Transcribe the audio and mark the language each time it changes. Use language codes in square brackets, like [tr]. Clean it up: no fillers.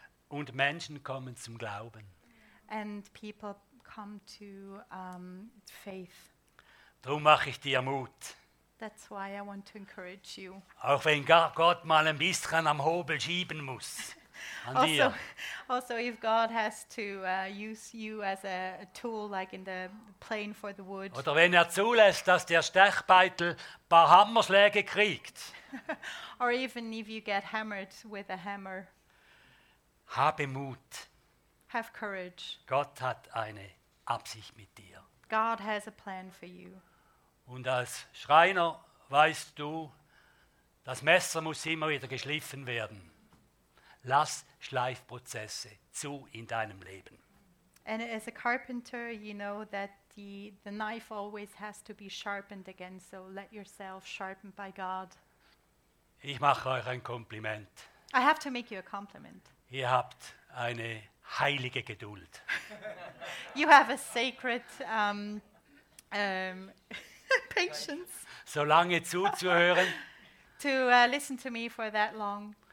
[de] Und Menschen kommen zum Glauben. [en] And people come to faith. [de] Darum mache ich dir Mut. [en] That's why I want to encourage you. [de] Auch wenn Gott mal ein bisschen am Hobel schieben muss. [en] Also if God has to use you as a tool, like in the plane for the wood. [de] Oder wenn er zulässt, dass der Stechbeitel ein paar Hammerschläge kriegt. [en] Or even if you get hammered with a hammer. [de] Habe Mut. [en] Have courage. [de] Gott hat eine Absicht mit dir. [en] God has a plan for you. [de] Und als Schreiner weißt du, das Messer muss immer wieder geschliffen werden. Lass Schleifprozesse zu in deinem Leben. [en] And as a carpenter, you know that the knife always has to be sharpened again, so let yourself sharpen by God. [de] Ich mache euch ein Kompliment. [en] I have to make you a compliment. [de] Ihr habt eine heilige Geduld. [en] You have a sacred patience. [de] So lange zuzuhören. [en] To listen to me for that long.